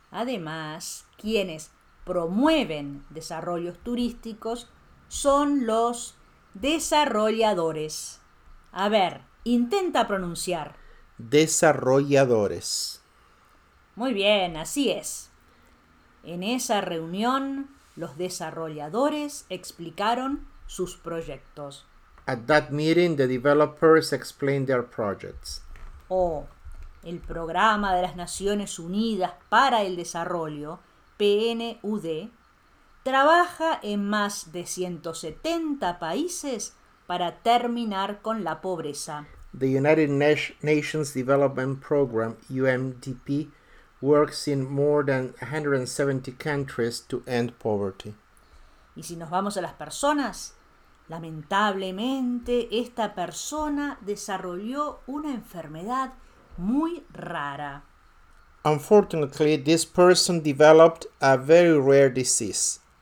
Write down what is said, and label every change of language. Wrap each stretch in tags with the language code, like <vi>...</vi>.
<es>Además, quienes promueven desarrollos turísticos son los desarrolladores. A ver, intenta pronunciar. Desarrolladores. Muy bien, así es. En esa reunión, los desarrolladores explicaron sus proyectos.</es> <en>At that meeting, the developers explained their projects.</en> <es>El programa de las Naciones Unidas para el Desarrollo, PNUD, trabaja en más de 170 países para terminar con la pobreza.</es> <en>The United Nations Development Program, UNDP, works in more than 170 countries to end poverty.</en> <es>Y si nos vamos a las personas, lamentablemente esta persona desarrolló una enfermedad muy rara.</es> <en>Unfortunately, this person developed a very rare disease.</en>